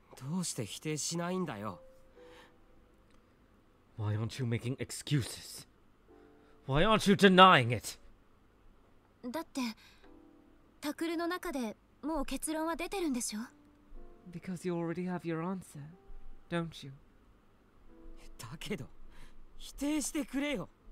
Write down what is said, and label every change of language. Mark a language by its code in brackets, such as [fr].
[ja] どうして否定しないんだよ? [en] Why aren't you making excuses? Why aren't you denying it? [ja] だって、タクルの中でもう結論は出てるんでしょ? [en] Because you already have your answer, don't you? [ja] だけど... 否定してくれよ!